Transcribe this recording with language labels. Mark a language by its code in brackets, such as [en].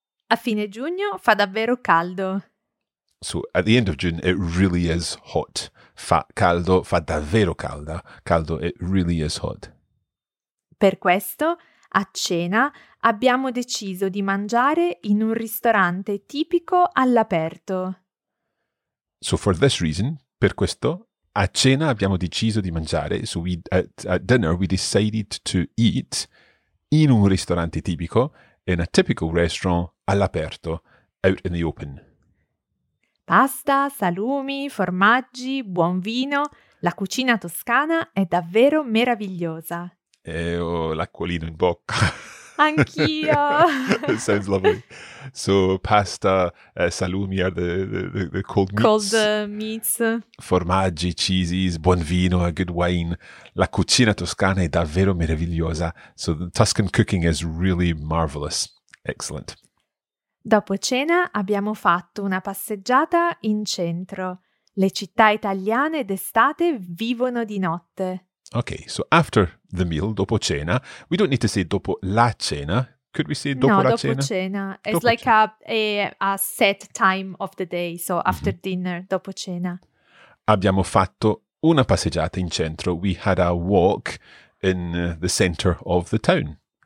[it] A fine giugno fa davvero caldo. [en] So at the end of June, it really is hot. [it] Fa caldo, fa davvero calda. Caldo, [en] it really is hot. [it] Per questo, a cena, abbiamo deciso di mangiare in un ristorante tipico all'aperto. [en] So for this reason, [it] per questo, a cena abbiamo deciso di mangiare. [en] So we at dinner, we decided to eat in [it] un ristorante tipico, [en] in a typical restaurant, [it] all'aperto, [en] out in the open. [it] Pasta, salumi, formaggi, buon vino. La cucina toscana è davvero meravigliosa. E ho l'acquolino in bocca. Anch'io. [en] Sounds lovely. So [it] pasta, salumi [en] are the cold meats. Cold meats. [it] Formaggi, [en] cheeses, [it] buon vino, [en] a good wine. [it] La cucina toscana è davvero meravigliosa. [en] So the Tuscan cooking is really marvelous. Excellent. [it] Dopo cena abbiamo fatto una passeggiata in centro. Le città italiane d'estate vivono di notte. [en] Okay, so after the meal, [it] dopo cena, [en] we don't need to say [it] dopo la cena. [en] Could we say [it] dopo la cena? [en] No, [it] dopo cena. [en] It's dopo like cena. A set time of the day. So after mm-hmm. dinner, [it] dopo cena. Abbiamo fatto una passeggiata in centro. [en] We had a walk in the center of the town.